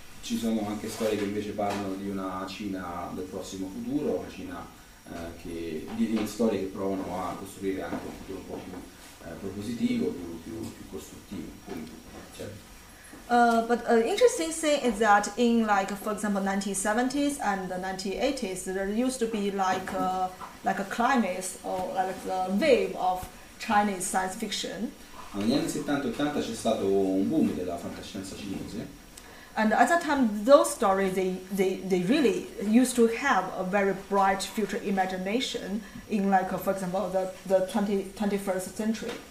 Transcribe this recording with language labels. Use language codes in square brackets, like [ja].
[it] Ci sono anche storie che invece parlano di una Cina del prossimo futuro, una Cina che, di storie che provano a costruire anche un futuro un po' più propositivo, più costruttivo. Certo. [en] But an interesting thing is that in, like, for example, 1970s and the 1980s, there used to be like a climax or like the wave of Chinese science fiction. [it] Negli anni 70-80 c'è stato un boom della fantascienza cinese. [en] And at that time, those stories they really used to have a very bright future imagination in, like, for example, the 21st century.